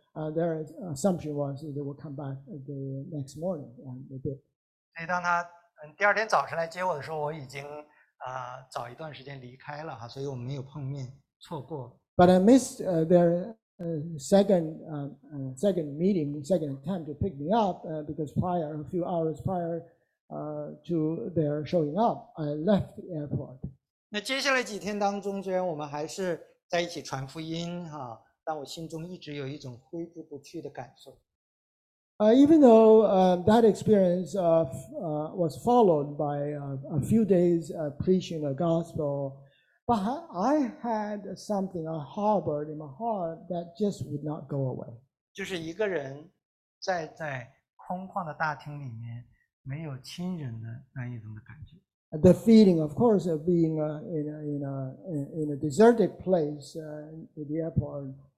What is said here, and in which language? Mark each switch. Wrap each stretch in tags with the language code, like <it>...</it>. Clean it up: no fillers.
<en>Their assumption was they would come back the next morning, and they did.</en> <zh>所以当他第二天早晨来接我的时候，我已经早一段时间离开了，所以我们没有碰面，错过。</zh> <en>But I missed their second meeting, second attempt to pick me up because prior a few hours prior to their showing up, I left the airport.</en> <zh>那接下来几天当中，虽然我们还是在一起传福音哈，但我心中一直有一种挥之不去的感受。</zh> <en>Even though that experience was followed by a few days of preaching the gospel, but I had something I harbored in my heart that just would not go away.</en> <zh>就是一个人站在空旷的大厅里面，没有亲人的那一种的感觉。</zh> <en>The feeling, of course, of being in a deserted place in the airport.</en>